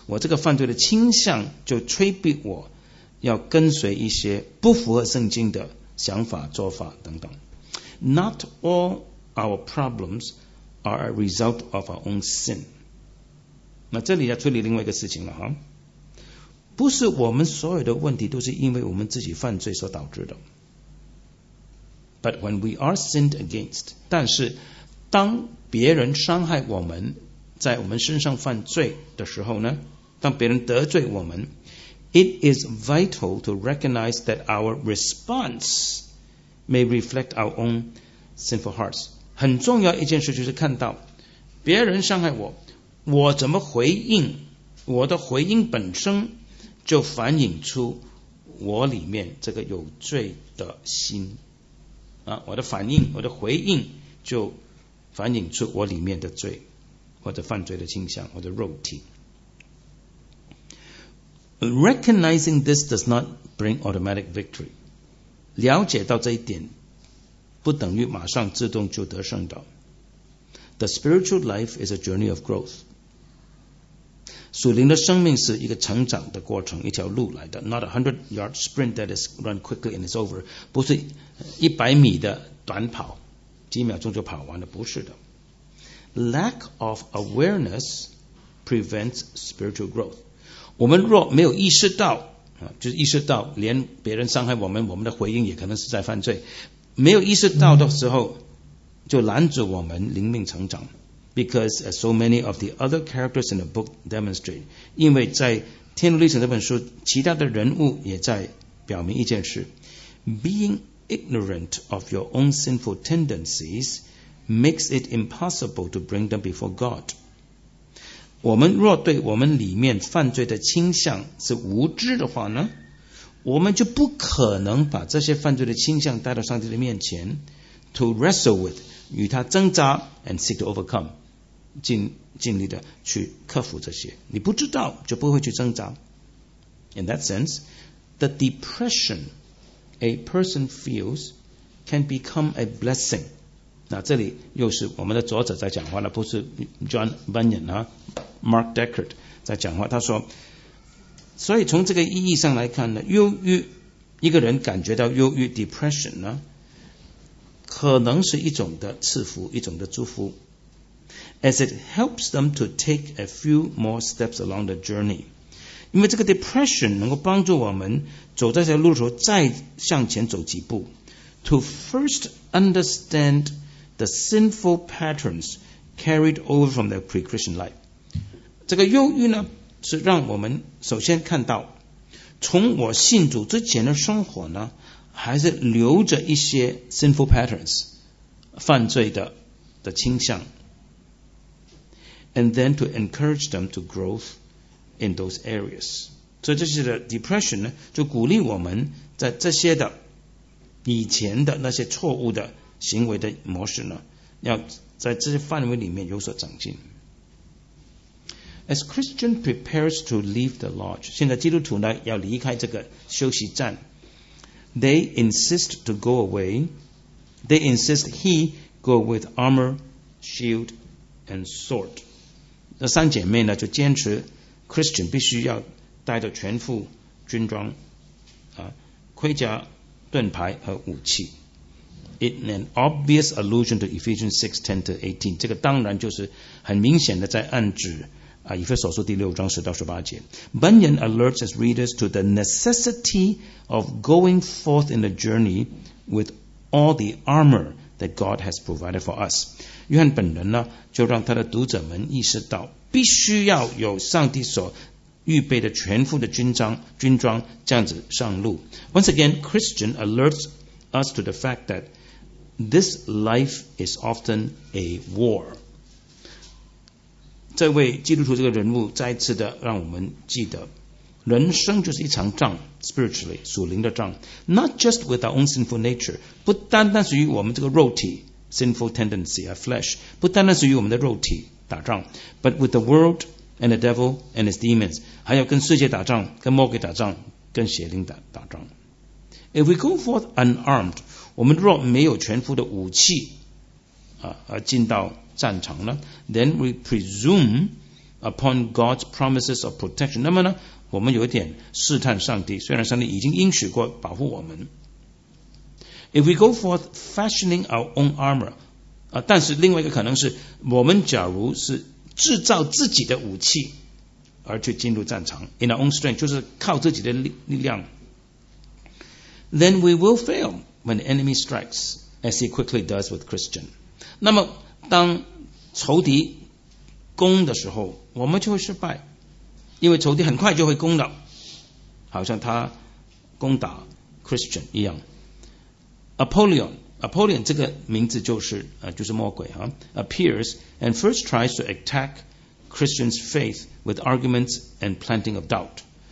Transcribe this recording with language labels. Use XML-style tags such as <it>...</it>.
<zh>我这个犯罪的倾向就催逼我要跟随一些不符合圣经的想法做法等等。</zh> <en>Not all our problems are a result of our own sin。</en> <zh>那这里要处理另外一个事情了哈，不是我们所有的问题都是因为我们自己犯罪所导致的。</zh> <en>But when we are sinned against，</en> <zh>但是当别人伤害我们在我们身上犯罪的时候呢，当别人得罪我们，</zh> <en>It is vital to recognize that our response may reflect our own sinful hearts。</en> <zh>很重要一件事就是看到别人伤害我，我怎么回应，我的回应本身就反映出我里面这个有罪的心啊，我的反应，我的回应就反映出我里面的罪或者犯罪的倾向或者肉体。</zh> <en>Recognizing this does not bring automatic victory。</en> <zh>了解到这一点不等于马上自动就得胜的。</zh> <en>The spiritual life is a journey of growth。</en> <zh>属灵的生命是一个成长的过程，一条路来的。</zh> <en>Not a 100-yard sprint that is run quickly and it's over。</en> <zh>不是100米的短跑，几秒钟就跑完了，不是的。</zh> <en>Lack of awareness prevents spiritual growth。</en> <zh>我们若没有意识到，就是意识到连别人伤害我们，我们的回应也可能是在犯罪，没有意识到的时候，就拦阻我们灵命成长。</zh> <en>Because as so many of the other characters in the book demonstrate，</en> <zh>因为在《天路历程》这本书，其他的人物也在表明一件事：</zh> <en>Being ignorant of your own sinful tendencies makes it impossible to bring them before God。</en> <zh>我们若对我们里面犯罪的倾向是无知的话呢，我们就不可能把这些犯罪的倾向带到上帝的面前</zh> <en>to wrestle with，</en> <zh>与他挣扎</zh> <en>and seek to overcome，</en> <zh>尽力的去克服这些。你不知道就不会去挣扎。</zh> <en>In that sense, the depression a person feels can become a blessing。</en> <zh>那这里又是我们的作者在讲话了，不是 John Bunyan Mark Deckard 在讲话。他说，所以从这个意义上来看呢，忧郁，一个人感觉到忧郁 depression 呢，可能是一种的赐福，一种的祝福，</zh> <en>as it helps them to take a few more steps along the journey。</en> <zh>因为这个 depression 能够帮助我们走在这条路的时候再向前走几步，</zh> <en>to first understand the sinful patterns carried over from their pre-Christian life。</en> <zh>这个忧郁呢，是让我们首先看到从我信主之前的生活呢，还是留着一些</zh> <en>sinful patterns</en> <zh>犯罪 的倾向，</zh> <en>And then to encourage them to growth in those areas。</en> <zh>所以这些的 depression 呢，就鼓励我们在这些的以前的那些错误的行为的模式呢，要在这些范围里面有所长进。</zh> <en>As Christian prepares to leave the lodge，</en> <zh>现在基督徒呢要离开这个休息站，</zh> <en>They insist to go away， They insist he go with armor, shield and sword。</en> <zh>那三姐妹呢，就坚持 Christian 必须要带着全副军装啊，盔甲、盾牌和武器。</zh> <en>In an obvious allusion to Ephesians 6:10-18，</en> <zh>这个当然就是很明显的在暗指啊，以弗所书第六章10-18。</zh> <en>Bunyan alerts his readers to the necessity of going forth in the journey with all the armor that God has provided for us.</en> <zh>约翰本人呢，就让他的读者们意识到，必须要有上帝所预备的全副的军装，这样子上路。</zh> <en>Once again, Christian alerts us to the fact that this life is often a war.</en> <zh>这位基督徒这个人物再次的让我们记得，人生就是一场仗 ，spiritually 属灵的仗 ，</zh> <en>not just with our own sinful nature，</en> <zh>不单单属于我们这个肉体 ，</zh> <en>sinful tendency of flesh，</en> <zh>不单单属于我们的肉体打仗 ，</zh> <en>but with the world and the devil and his demons，</en> <zh>还要跟世界打仗，跟魔鬼打仗，跟邪灵打仗。</zh> <en>If we go forth unarmed，</en> <zh>我们若没有全副的武器，而进到战场呢</zh> <en>，then we presume upon God's promises of protection。</en> <zh>那么呢，我们有一点试探上帝，虽然上帝已经应许过保护我们。</zh> <en>If we go forth fashioning our own armor，</en> <zh>但是另外一个可能是，我们假如是制造自己的武器而去进入战场</zh> <en>，in our own strength，</en> <zh>就是靠自己的力量</zh> <en>，then we will fail when the enemy strikes， as he quickly does with Christian。</en> <zh>那么当仇敌攻的时候，我们就会失败，因为仇敌很快就会攻了，好像他攻打 Christian 一样。</zh> <en>Apollyon</en> <zh>这个名字就是魔鬼啊</zh> <en>，appears and first tries to attack Christian's faith with arguments and planting of doubt。</en>